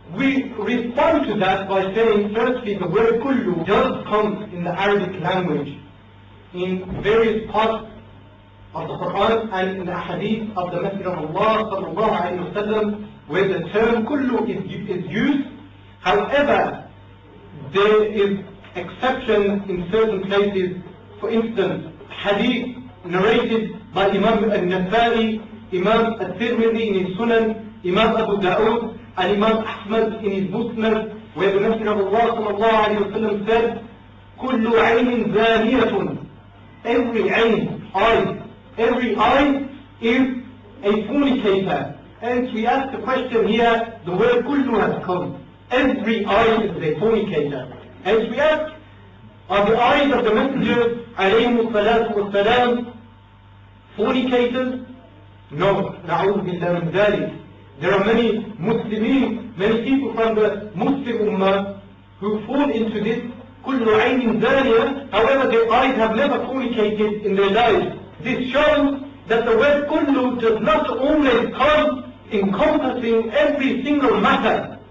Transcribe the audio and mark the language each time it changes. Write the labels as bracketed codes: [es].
[en] We respond to that by saying, firstly, the word كُلُّ does come in the Arabic language in various parts of the Quran and in the hadith of the Messenger of Allah sallallahu alayhi wa sallam, where the term كُلُّ is used. However, there is exception in certain places. For instance, hadith narrated by Imam al-Nasa'i [ar] إمام الترمذي من السنن، إمام أبو داود، الإمام أحمد من المسند، وابن نفسنا الله صلى الله عليه وسلم قال: كل عين زانية. [en] Every عين eye, every eye is a fornicator. And we ask the question here, the word kullu has come. Every eye is a fornicator. And we ask, are the eyes of the messenger [ar] عليهم الصلاة والسلام [en] fornicators? [ar] No, نعوذ بالله من ذلك. [en] There are many Muslims, many people from the Muslim Ummah who fall into this [ar] كل عين زانية. [en] However, their eyes have never fornicated in their lives. This shows that the word kullu does not always come encompassing every single matter.